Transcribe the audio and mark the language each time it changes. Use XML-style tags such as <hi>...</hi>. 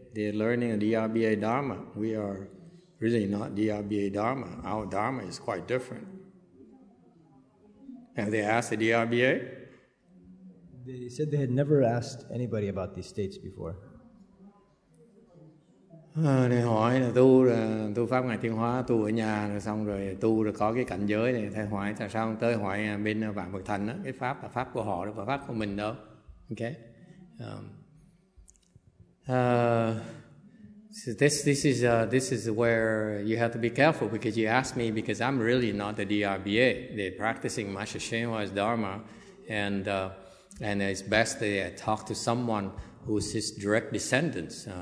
<en>They're learning a DRBA Dharma. We are really not DRBA Dharma. Our Dharma is quite different. Have they asked the DRBA? They said they had never asked anybody about these states before.</en> <vi>Này hỏi là tu là tu pháp ngài Thiên Hóa, tu ở nhà rồi xong rồi tu rồi có cái cảnh giới này, thầy hỏi tại sao tới hỏi bên Vạn Phật Thành á, cái pháp là pháp của họ đó, và pháp của mình đâu.</vi> <en>Okay. So this is where you have to be careful, because you ask me, because I'm really not the DRBA. They're practicing Master Xunhua's Dharma, and it's best they talk to someone who's his direct descendants.</en>